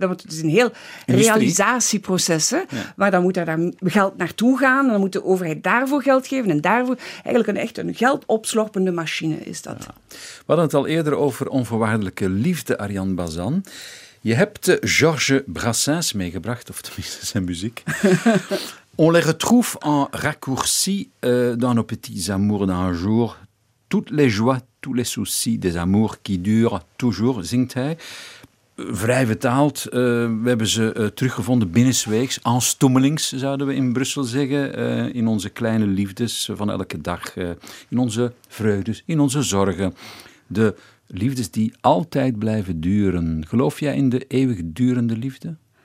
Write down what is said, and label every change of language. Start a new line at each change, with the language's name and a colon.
Dutch: Dat wordt dus een heel realisatieproces. Hè, maar dan moet er daar geld naartoe gaan, dan moet de overheid daarvoor geld geven en daarvoor eigenlijk een geldopslorpende machine is dat. Ja. We hadden het al eerder over onvoorwaardelijke liefde, Ariane Bazin. Je hebt Georges Brassens meegebracht, of tenminste zijn muziek.
French: On les retrouve en raccourci dans nos petits amours d'un jour. Toutes les joies, tous les soucis des amours qui durent toujours,
Dutch: zingt hij. Vrij vertaald. We hebben ze teruggevonden binnensweegs. Aanstommelings, zouden we in Brussel zeggen. In onze kleine liefdes van elke dag. In onze vreugdes, in onze zorgen. De liefdes die altijd blijven duren. Geloof jij in de eeuwigdurende liefde?